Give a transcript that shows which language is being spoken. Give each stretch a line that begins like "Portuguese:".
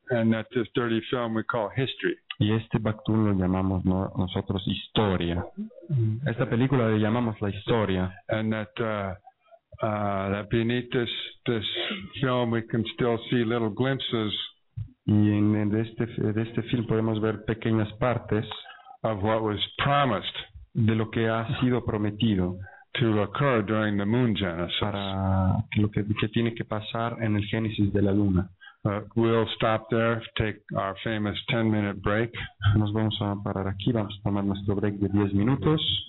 English: And that this dirty film we call history.
Spanish: Y este Bakhtun lo llamamos nosotros historia. Esta película le llamamos la historia.
English: And that that beneath this film we can still see little glimpses.
Spanish: Y en este film podemos ver pequeñas partes
English: of what was promised,
Spanish: de lo que ha sido prometido,
English: to occur during the moon genesis.
Spanish: Para lo que tiene que pasar en el génesis de la luna.
English: We'll stop there, take our famous 10-minute break.
Spanish: Nos vamos a parar aquí, vamos a tomar nuestro break de 10 minutos.